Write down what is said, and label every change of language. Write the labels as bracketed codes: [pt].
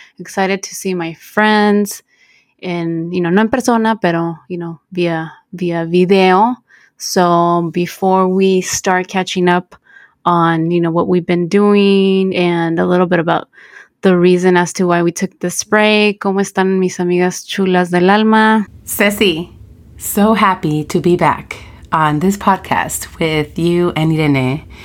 [en] Excited to see my friends and, you know, [es] no en persona, pero, [en] you know, via video. So before we start catching up on, you know, what we've been doing and a little bit about the reason as to why we took this break. [es] ¿Cómo están mis amigas chulas del alma? [en] Ceci, so happy to be back on this podcast with you and Irene.